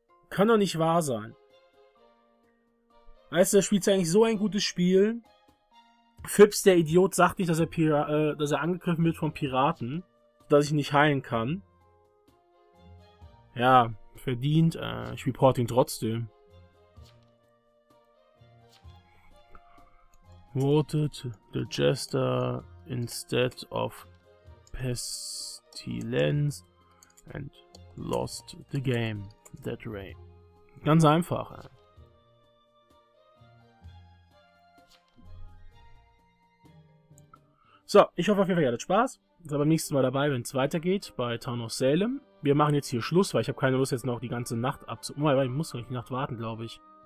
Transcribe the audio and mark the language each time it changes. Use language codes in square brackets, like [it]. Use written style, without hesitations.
[de] Kann doch nicht wahr sein. Weißt du, da spielt sie eigentlich so ein gutes Spiel. Phipps, der Idiot, sagt nicht, dass er angegriffen wird von Piraten. Dass ich nicht heilen kann. Ja, verdient. Ich report ihn trotzdem. [en] Voted the Jester instead of Pestilence and lost the game that way. [de] Ganz einfach, So, ich hoffe auf jeden Fall, ihr hattet Spaß. Seid beim nächsten Mal dabei, wenn es weitergeht bei Town of Salem. Wir machen jetzt hier Schluss, weil ich habe keine Lust, jetzt noch die ganze Nacht abzu... Oh, ich muss noch die Nacht warten, glaube ich.